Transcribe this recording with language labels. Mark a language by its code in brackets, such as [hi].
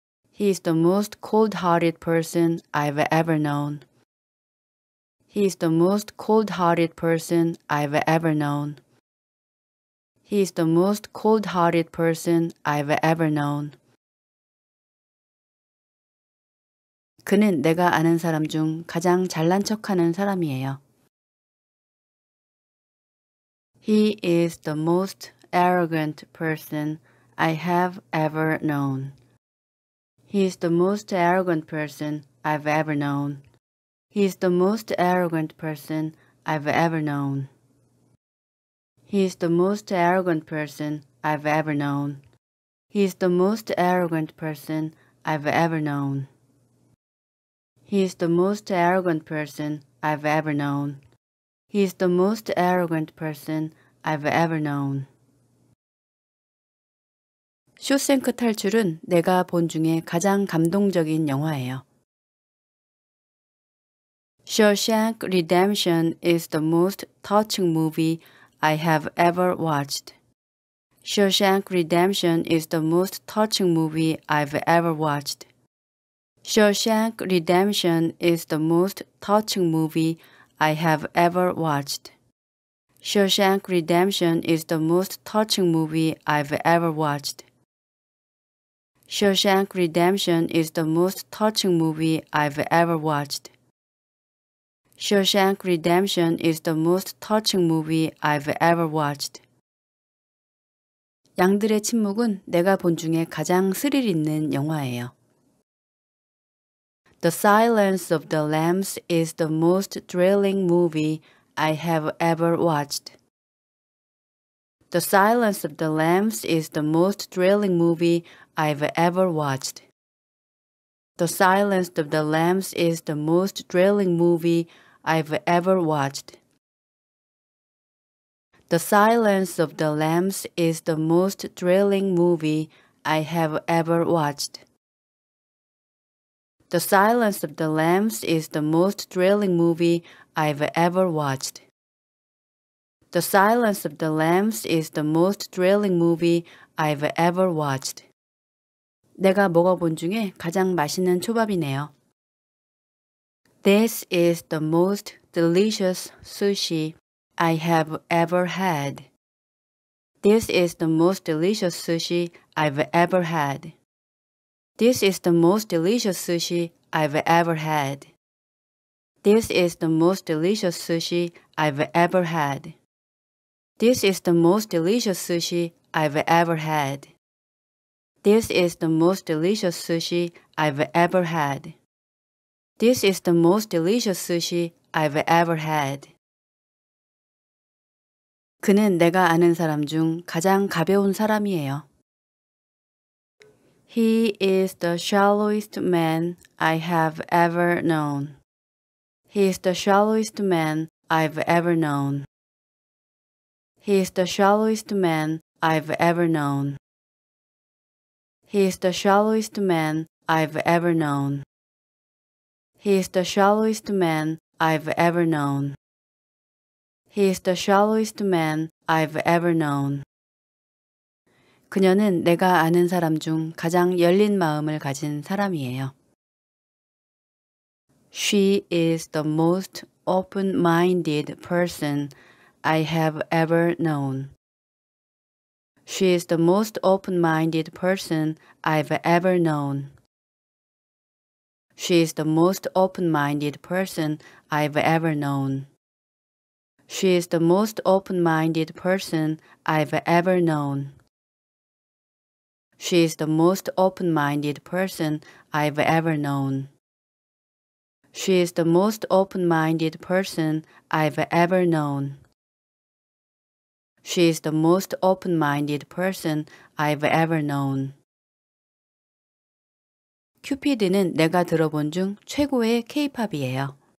[en] He is the most cold-hearted person I've ever known. He is the most cold-hearted person I've ever known. He is the most cold-hearted person I've ever known. [ko] 그는 내가 아는 사람 중 가장 잘난 척하는 사람이에요. [en] He is the most arrogant person I have ever known. He is the most arrogant person I've ever known. He is the most arrogant person I've ever known. He is the most arrogant person I've ever known. He is the most arrogant person I've ever known. He is the most arrogant person I've ever known. He is the most arrogant person I've ever known. [ko] 쇼생크 탈출은 내가 본 중에 가장 감동적인 영화예요. [en] Shawshank Redemption is the most touching movie I have ever watched. Shawshank Redemption is the most touching movie I've ever watched. Shawshank Redemption is the most touching movie I have ever watched. Shawshank Redemption is the most touching movie I've ever watched. Shawshank Redemption is the most touching movie I've ever watched. Shawshank Redemption is the most touching movie I've ever watched. [ko] 양들의 침묵은 내가 본 중에 가장 스릴 있는 영화예요. [en] The Silence of the Lambs is the most thrilling movie I have ever watched. The Silence of the Lambs is the most thrilling movie I've ever watched. The Silence of the Lambs is the most thrilling movie I've ever watched. The Silence of the Lambs is the most thrilling movie I have ever watched. The Silence of the Lambs is the most thrilling movie I've ever watched. The Silence of the Lambs is the most thrilling movie I've ever watched. [ko] 내가 먹어본 중에 가장 맛있는 초밥이네요. [en] This is the most delicious sushi I have ever had. This is the most delicious sushi I've ever had. This is the most delicious sushi I've ever had. This is the most delicious sushi I've ever had. This is the most delicious sushi I've ever had. This is the most delicious sushi I've ever had. This is the most delicious sushi I've ever had. [ko] 그는 내가 아는 사람 중 가장 가벼운 사람이에요. [en] He is the shallowest man I have ever known. He is the shallowest man I've ever known. He is the shallowest man I've ever known. He is the shallowest man I've ever known. He is the shallowest man I've ever known. He is the shallowest man I've ever known. [ko] 그녀는 내가 아는 사람 중 가장 열린 마음을 가진 사람이에요. [en] She is the most open-minded person I have ever known. She is the most open-minded person I've ever known. She is the most open-minded person I've ever known. She is the most open-minded person I've ever known. She is the most open-minded person I've ever known. She is the most open-minded person I've ever known. She is the most open-minded person I've ever known. [ko] 큐피드는 내가 들어본 중 최고의 K-pop이에요.